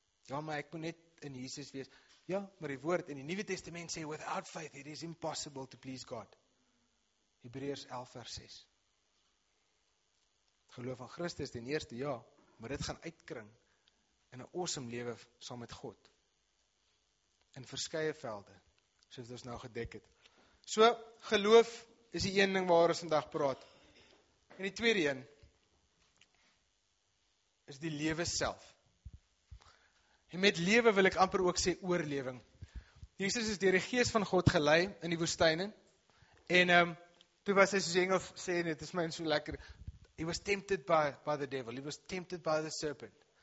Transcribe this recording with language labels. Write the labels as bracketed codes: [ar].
[af] Ja, maar ek moet net in Jesus wees. Ja, maar die woord in die Nuwe Testament sê, [en] without faith, it is impossible to please God. [af] Hebreërs 11 vers 6. Geloof aan Christus, die eerste, ja, maar dit gaan uitkring in 'n awesome lewe saam met God. In verskeie velde, soos ons nou gedek het. So, geloof is die een ding waar ons vandag praat. En die tweede een, is die lewe self. En met lewe wil ek amper ook sê oorlewing. Jesus is deur die gees van God gelei in die woestyne. En toe was hy soos engel sê, en dit is my so lekker, [en] he was tempted by the devil, he was tempted by the serpent.